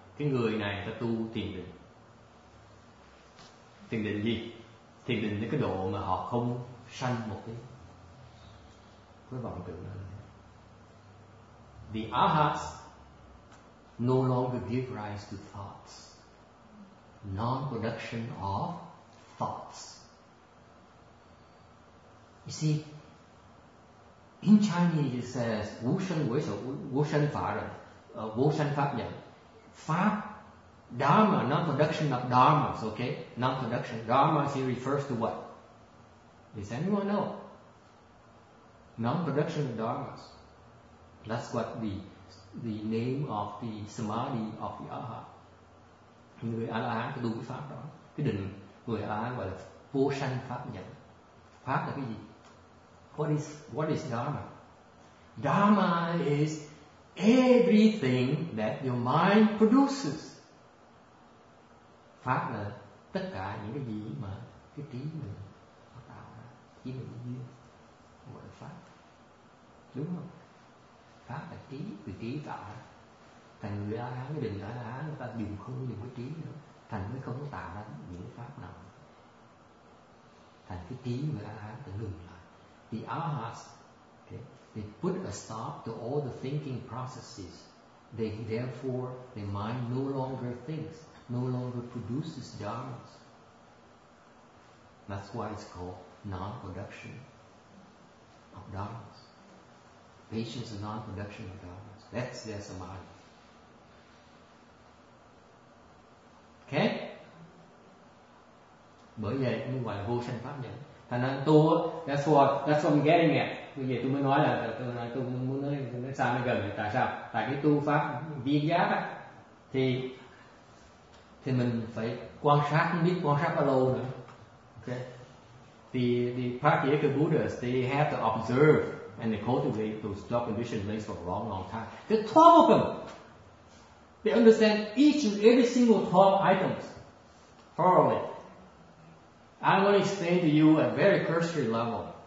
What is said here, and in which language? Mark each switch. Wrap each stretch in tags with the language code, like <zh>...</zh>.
<vi>Cái người này ta tu thiền định. Thiền định gì? Thiền định đến cái độ mà họ không sanh một cái vọng tưởng nào.</vi> <en>The arhats no longer give rise to thoughts. Non-production of thoughts. You see, in Chinese it says</en> <zh>wu shen wei shou, wu shen fa ren, wu shen fa yan.</zh> <en>Fa dharma, non-production of dharmas, okay? Non-production. Dharmas, it refers to what? Does anyone know? Non-production of dharmas. That's what the name of the samadhi of the aha.</en> <vi>Người A-la-hán cái đủ cái pháp đó, cái định người A-la-hán gọi là vô sanh pháp nhận. Pháp là cái gì?</vi> <en>What is dharma? Dharma is everything that your mind produces.</en> <vi>Pháp là tất cả những cái gì mà cái trí mình tạo ra, trí mình như gọi là pháp, đúng không? Pháp là trí, từ trí tạo ra. Thành người A Hán, cái định A Hán người ta dùng không dùng cái trí nữa, thành mới không có tạo ra những pháp nào. Thành cái trí người A Hán tự ngừng lại.</vi> <en>The arhats, okay, they put a stop to all the thinking processes. They therefore the mind no longer thinks, no longer produces dharmas. That's why it's called non-production of dharmas. Patience is non-production of dharmas. That's their samadhi. Okay?</en> <vi>Bởi vậy mới gọi là vô sanh pháp nhẫn. Thành năng tu,</vi> <en>that's what I'm getting at.</en> <vi>Bây giờ tôi mới nói là tôi muốn nói nó xa nó gần. Tại sao? Tại cái tu pháp viên giác á, thì mình phải quan sát, không biết quan sát bao lâu nữa.</vi> <en>Okay. The Pratyeka Buddhas, they have to observe and they cultivate those dog conditioned legs for a long, long time. The 12 of them, they understand each and every single 12 items thoroughly. I'm going to explain to you at very cursory level.</en>